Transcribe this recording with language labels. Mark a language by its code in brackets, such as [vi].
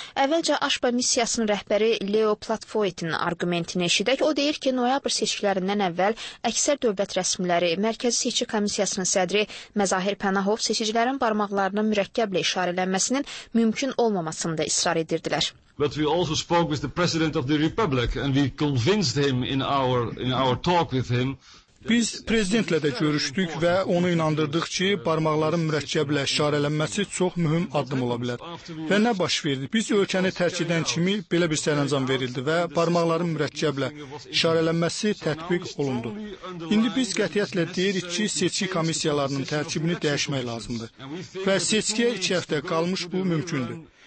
[az] Əvvəlcə AŞPA missiyasının rəhbəri Leo Platvoetin arqumentini eşidək, o deyir ki, noyabr seçkilərindən əvvəl əksər dövlət rəsmiləri, Mərkəzi Seçki Komissiyasının sədri Məzahir Pənahov seçicilərin barmaqlarının mürəkkəblə işarələnməsinin mümkün olmamasını da israr edirdilər. [en] But we also spoke with the President of the Republic and we convinced him in our talk with him. [az] Biz prezidentlə də görüşdük və onu inandırdıq ki, barmaqların mürəkkəblə işarələnməsi çox mühüm addım ola bilər. Və nə baş verdi? Biz ölkəni tərk edən kimi belə bir sərəncam verildi və barmaqların mürəkkəblə işarələnməsi tətbiq olundu. İndi biz qətiyyətlə deyirik ki, seçki komissiyalarının tərkibini dəyişmək lazımdır və seçkiyə 2 həftə qalmış bu mümkündür.